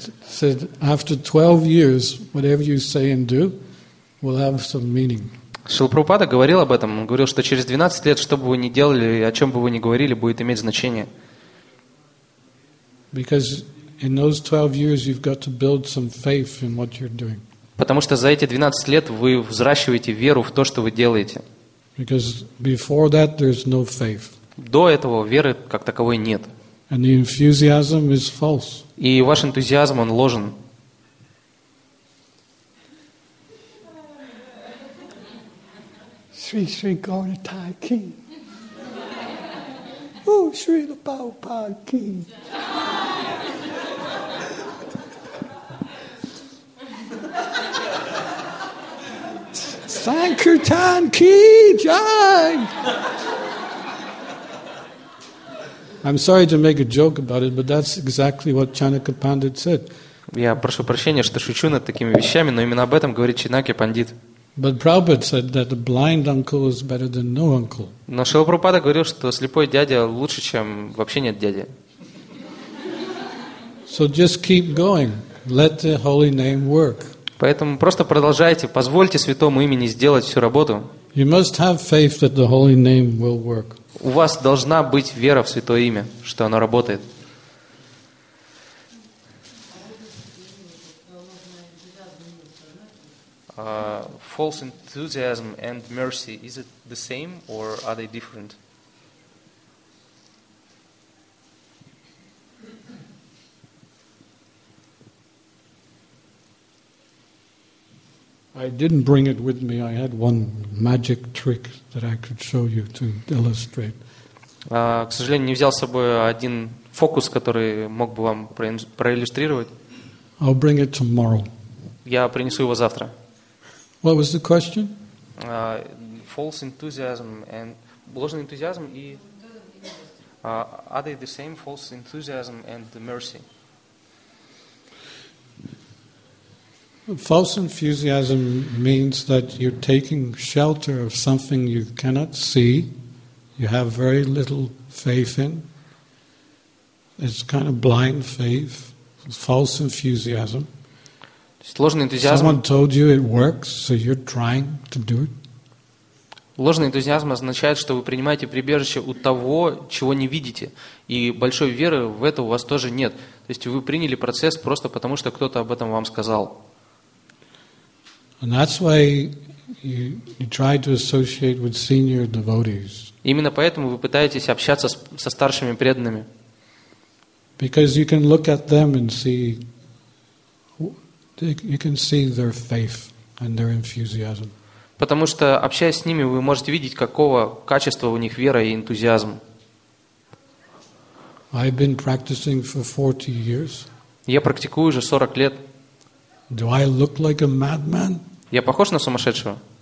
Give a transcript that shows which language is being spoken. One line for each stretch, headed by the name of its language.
English: Said after 12 years, whatever you say and do will have some meaning.
Russian: Шрила Прабхупада говорил об этом. Он говорил, что через 12 лет, что бы вы ни делали и о чем бы вы ни говорили, будет иметь значение.
English: Because in those 12 years you've got to build some faith in what you're doing.
Russian: Потому что за эти 12 лет вы взращиваете веру в то, что вы делаете.
English: Because before that there's no faith.
Russian: До этого веры как таковой нет.
English: And the enthusiasm is false.
Russian: И ваш энтузиазм, он ложен. Sri Sri Gaura Thai King. Oh, Sri La Pao Pao King. Sankirtan Ki Jai.
English: I'm sorry to make a joke about it, but that's exactly what Chanakya Pandit said.
Russian: Я прошу прощения, что шучу над такими вещами, но именно об этом говорит Чанакья Пандит.
English: But Prabhupada said that a blind uncle is better than no uncle.
Russian: Но Шрила Прабхупада говорил, что слепой дядя лучше, чем вообще нет дяди.
English: So just keep going. Let the holy name work.
Russian: Поэтому просто продолжайте, позвольте святому имени сделать всю работу.
English: You must have faith that the holy name will work.
Russian: У вас должна быть вера в святое имя, что оно работает.
English: False enthusiasm and mercy, is it the same or are they different? I didn't bring it with me. I had one magic trick that I could show you to illustrate.
Russian: К сожалению, не взял с собой один фокус, который мог бы вам проиллюстрировать.
English: I'll bring it tomorrow.
Russian: Я принесу его завтра.
English: What was the question? False enthusiasm and
Russian: ложный энтузиазм и
English: are they the same, false enthusiasm and the mercy? False enthusiasm means that you're taking shelter of something you cannot see, you have very little faith in. It's kind of blind faith, false enthusiasm.
Russian: Ложный энтузиазм.
English: Someone told you it works, so you're trying to do it.
Russian: Ложный энтузиазм означает, что вы принимаете прибежище у того, чего не видите. И большой веры в это у вас тоже нет. То есть вы приняли процесс просто потому, что кто-то об этом вам сказал.
English: And that's why you try to associate with senior devotees.
Russian: Именно поэтому вы пытаетесь общаться со старшими преданными.
English: Because you can look at them and see, you can see their faith and their enthusiasm.
Russian: Потому что общаясь с ними, вы можете видеть, какого качества у них вера и энтузиазм.
English: I've been practicing for 40 years.
Russian: Я практикую уже 40 лет.
English: Do I look like a madman?
Russian: Я похож на сумасшедшего?